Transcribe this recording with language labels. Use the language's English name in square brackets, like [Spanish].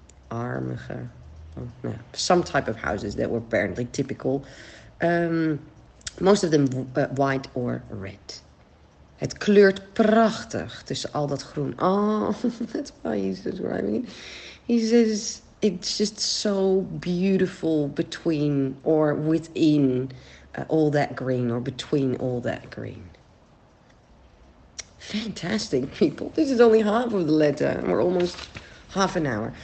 [English] Blokarmige. Oh, no. Some type of houses that were apparently typical. Most of them white or red. [Dutch] Het kleurt prachtig tussen al dat groen. [English] Oh, that's why he's describing it. He says it's just so beautiful between or within all that green, or between all that green. Fantastic people. This is only half of the letter, and we're almost half an hour.